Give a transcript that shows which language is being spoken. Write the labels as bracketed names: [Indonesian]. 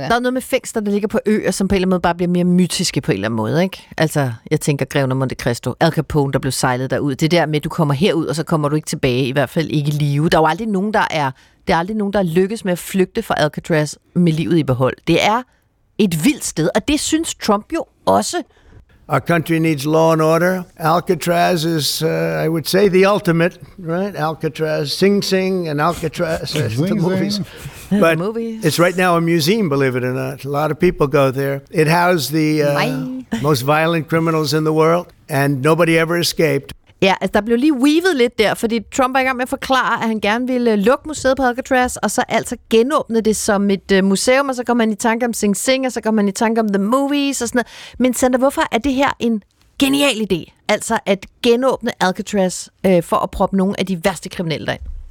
[Danish] der er noget med fængsler, der ligger på øer, som på en eller anden måde bare bliver mere mytiske på en eller anden måde, ikke? Altså, jeg tænker Greven af Monte Cristo, Al Capone, der blev sejlet derud. Det der med, at du kommer herud, og så kommer du ikke tilbage, i hvert fald ikke i live. Der er jo aldrig nogen, det er aldrig nogen, der lykkes med at flygte fra Alcatraz med livet i behold. Det er et vildt sted, og det synes Trump jo også. [English] Our country needs law and order. Alcatraz is, I would say, the ultimate, right? Alcatraz, Sing Sing, and Alcatraz, the movies. But it's right now a museum, believe it or not. A lot of people go there. It housed the most violent criminals in the world, and nobody ever escaped. [Danish] Ja, altså der blev lige weavet lidt der, fordi Trump var i gang med at forklare, at han gerne ville lukke museet på Alcatraz, og så altså genåbne det som et museum, og så kommer man i tanke om Sing Sing, og så kommer man i tanke om The Movies og sådan noget. Men Sandra, hvorfor er det her en genial idé? Altså at genåbne Alcatraz for at proppe nogle af de værste kriminelle derind?